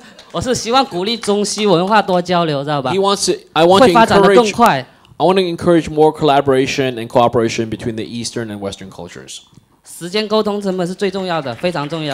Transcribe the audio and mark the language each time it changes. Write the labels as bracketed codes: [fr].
[zh] 我是希望鼓励中西文化多交流，知道吧？ [en] He wants to, I want [zh] 会发展得更快。 [en] I want to encourage more collaboration and cooperation between the Eastern and Western cultures. [zh] 时间沟通成本是最重要的，非常重要。